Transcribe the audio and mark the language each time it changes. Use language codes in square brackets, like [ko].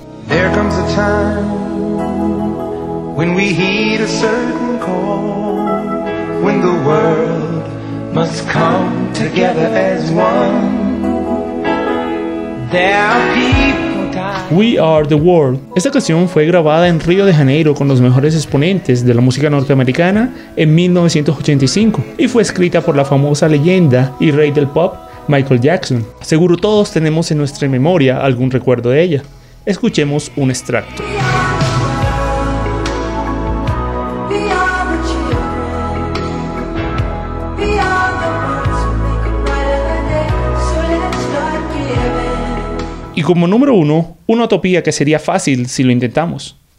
[en] There comes a time when we heed a certain call, when the world must come together as one. There are people. We Are the World. [es] Esta canción fue grabada en Río de Janeiro con los mejores exponentes de la música norteamericana en 1985 y fue escrita por la famosa leyenda y rey del pop Michael Jackson. Seguro todos tenemos en nuestra memoria algún recuerdo de ella. Escuchemos un extracto. [en] We are the ones who make a brighter day. So let's start giving. [es] Y como número uno, una utopía que sería fácil si lo intentamos.